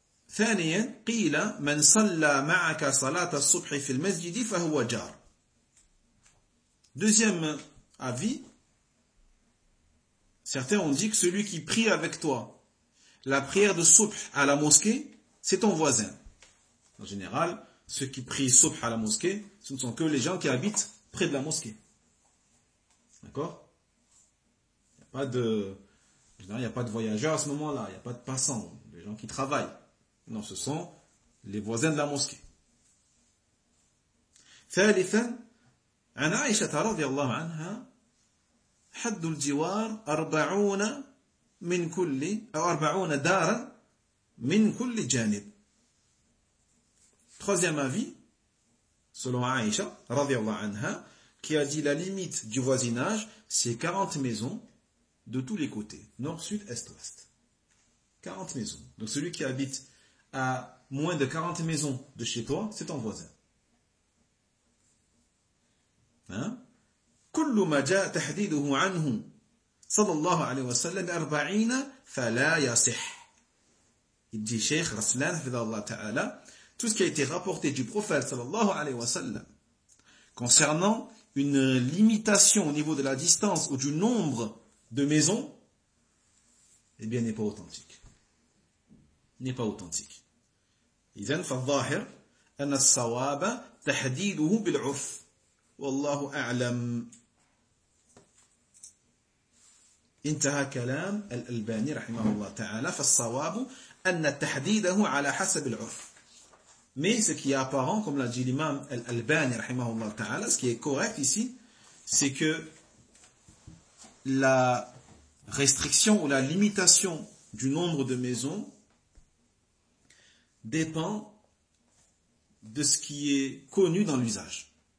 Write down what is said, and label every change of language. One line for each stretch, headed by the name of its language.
Arabic: ثانيا قيل من صلى معك صلاة الصبح في المسجد فهو جار.
French: Deuxième avis, certains ont dit que celui qui prie avec toi la prière de subh à la mosquée, c'est ton voisin. En général, ceux qui prient subh à la mosquée, ce ne sont que les gens qui habitent près de la mosquée. D'accord? Il n'y a pas de voyageurs à ce moment-là, il n'y a pas de passants, les gens qui travaillent. Non, ce sont les voisins de la mosquée.
Arabic: ثالثا عن عائشة رضي الله عنها حد الجوار 40 من كل أو 40 دارا من كل جانب.
French: Troisième avis, selon Aïcha
Arabic: رضي الله عنها,
French: qui a dit la limite du voisinage, c'est 40 maisons de tous les côtés, nord, sud, est, ouest. 40 maisons. Donc celui qui habite à moins de 40 maisons de chez toi, c'est ton voisin. Hein?
Arabic: كل ما جاء تحديده عنه صلى الله عليه وسلم 40 فلا يصح.
French: Il dit Cheikh Raslan Fidallah Ta'ala, tout ce qui a été rapporté du prophète
Arabic: صلى الله عليه وسلم
French: concernant une limitation au niveau de la distance ou du nombre de maisons, eh bien n'est pas authentique. N'est pas authentique.
Arabic: إذن فالظاهر أن الصواب تحديده بالعف والله أعلم. انتهى كلام الألباني رحمه الله تعالى. فالصواب أن تحديده على حسب العف.
French: Mais ce qui est apparent, comme l'a dit l'imam الألباني
Arabic: رحمه الله تعالى,
French: ce qui est correct ici, c'est que la restriction ou la limitation du nombre de maisons dépend de ce qui est connu dans l'usage.